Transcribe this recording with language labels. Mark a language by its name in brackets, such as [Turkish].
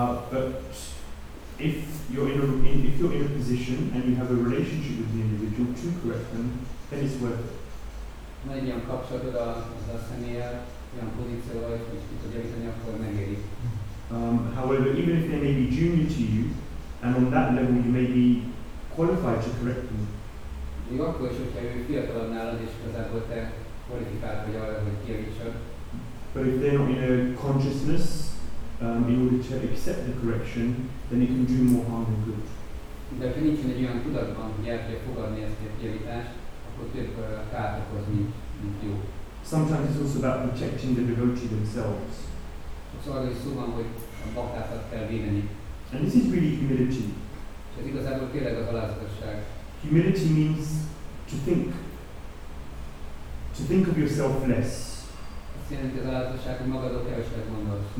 [English] But if you're in a position and you have a relationship with the individual to correct them, then it's worth it. [Hungarian] Van egy ilyen kapcsolatod az a személlyel, olyan pozícióval, hogy ki tud javítani, akkor megéri. [English] However, even if they may be junior to you, and on that level you may be qualified to correct them. [Hungarian] Még akkor is, hogyha ő fiatalabb nálad, és igazából te kvalifikált vagy arra, hogy kijavítsad. [English] But if they're not in a consciousness, in order to accept the correction, then it can do more harm than good. [Hungarian] De ha nincsen egy olyan tudatban, hogy el kell fogadni ezt a kijavítást, akkor több kárt okoz, mint jó. [English] Sometimes it's also about protecting the devotee themselves. [Hungarian] Sokszor arra is szó van, hogy a baktákat kell védeni. [English] And this is really humility. [Hungarian] És ez igazából tényleg az alázatosság. [English] Humility means to think of yourself less. [Hungarian] Azt jelenti az alázatosság, hogy magadról kevesebbet gondolsz.